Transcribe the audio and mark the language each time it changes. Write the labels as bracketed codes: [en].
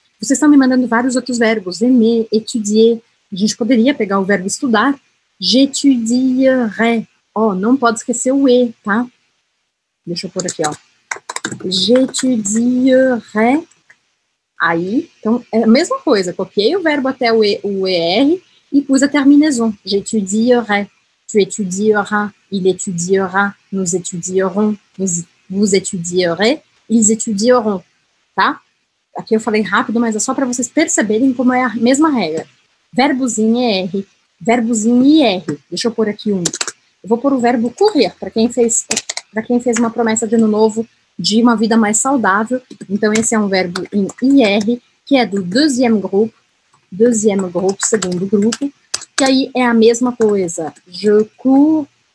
[pt] Vocês estão me mandando vários outros verbos, aimer, étudier. A gente poderia pegar o verbo estudar. [fr] J'étudierai. [pt] Ó, não pode esquecer o E, tá? Deixa eu pôr aqui, ó. [fr] J'étudierai. [pt] Aí, então, é a mesma coisa. Copiei o verbo até o ER e pus a terminação. [fr] J'étudierai, tu étudieras, il étudiera, nous étudierons, vous étudierez, ils étudieront. [pt] Tá? Aqui eu falei rápido, mas é só para vocês perceberem como é a mesma regra. Verbos em ER, verbos em IR. Deixa eu pôr aqui um. Eu vou pôr o verbo correr, para quem fez uma promessa de ano novo, de uma vida mais saudável. Então, esse é um verbo em IR, que é do [fr] deuxième groupe, [pt] segundo grupo, que aí é a mesma coisa. [fr] Je cours